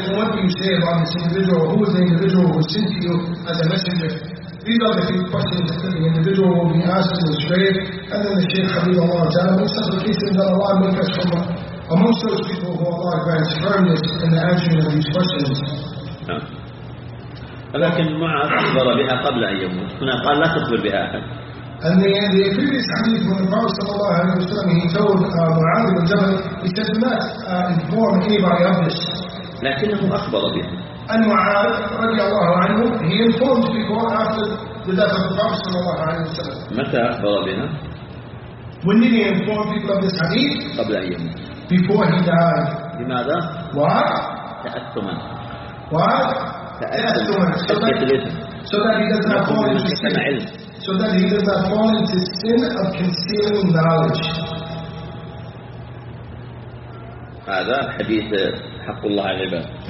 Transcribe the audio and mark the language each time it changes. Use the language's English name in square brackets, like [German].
[English] What do you say about this individual? Who is the individual who sent you as a messenger? These are the few questions that the individual will be asked in his grave. And then the Shaykh Khalilullah Ta'ala, most supplications that Allah make us from amongst those people who Allah grants firmness in the answering of these questions. [Arabic] لكن ما أخبر بها قبل أن يموت. هنا قال لا تخبر بها أحد. [English] And the previous hadith from the Prophet sallallahu alaihi wasallam, he told Mu'adh ibn Jabal, he said, do not inform anybody of this. [Arabic] لكنه أخبر بها. [English] And Mu'adh رضي الله عنه, he informed people after the death of the Prophet sallallahu alaihi wasallam. [Arabic] متى أخبر بها؟ [English] When did he inform people of this hadith? [Arabic] قبل أيام. [English] Before he died. [Arabic] لماذا؟ [English] Why? [Arabic] تأثما. [English] Why? [Arabic] تأثما. [English] So that he does not fall into sin. So that he does not fall into sin of concealing knowledge. [Arabic] هذا حديث حق الله على العباد.